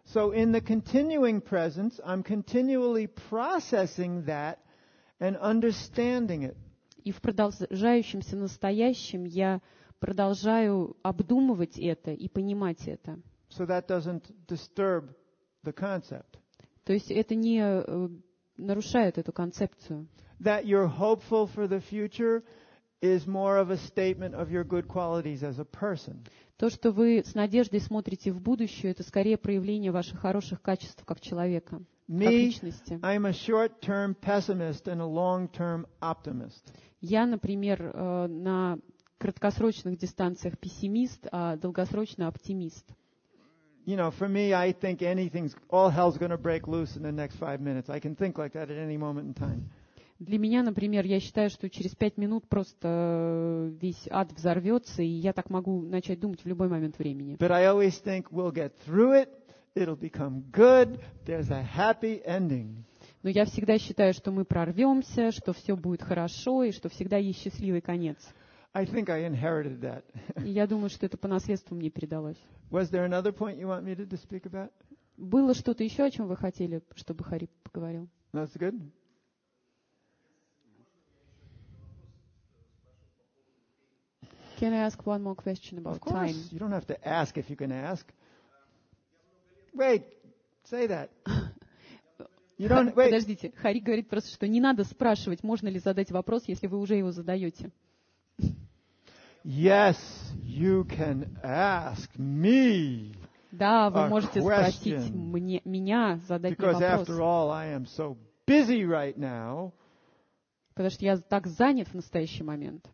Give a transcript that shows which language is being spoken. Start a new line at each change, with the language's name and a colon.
English: So in the continuing presence, I'm continually processing that and understanding it.
Russian: И в продолжающемся настоящем я продолжаю обдумывать это и понимать это.
English: So that doesn't disturb the concept.
Russian: То есть это не нарушает эту концепцию.
English: That you're hopeful for the future is more of a statement of your good qualities as a person.
Russian: То, что вы с надеждой смотрите в будущее, это скорее проявление ваших хороших качеств как человека,
English: Me,
Russian: как личности.
English: I'm a short-term pessimist and a long-term optimist.
Russian: Я, например, на краткосрочных дистанциях пессимист, а долгосрочно оптимист.
English: You know, for me, I think anything's all hell's going to break loose in the next 5 minutes. I can think like that at any moment in time.
Russian: Для меня, например, я считаю, что через 5 минут просто весь ад взорвется, и я так могу начать думать в любой момент времени.
English: But I always think we'll get through it. It'll become good. There's a happy ending.
Russian: Но я всегда считаю, что мы прорвемся, что все будет хорошо, и что всегда есть счастливый конец.
English: I think I inherited that.
Russian: Я думаю, что это по наследству мне передалось.
English: Was there another point you want me to speak about?
Russian: Было что-то еще, о чем вы хотели, чтобы Хари поговорил?
English: That's good. Can I ask one more question about time? Of course, time? You don't have to ask if you can ask. Wait, say that. You don't, wait.
Russian: Подождите, Хари говорит просто, что не надо спрашивать, можно ли задать вопрос, если вы уже его задаете.
English: Yes, you can ask me.
Russian: Да, вы можете спросить мне, меня, задать мне вопрос.
English: Because after all, I am so busy right now.
Russian: Потому что я так занят в настоящий момент.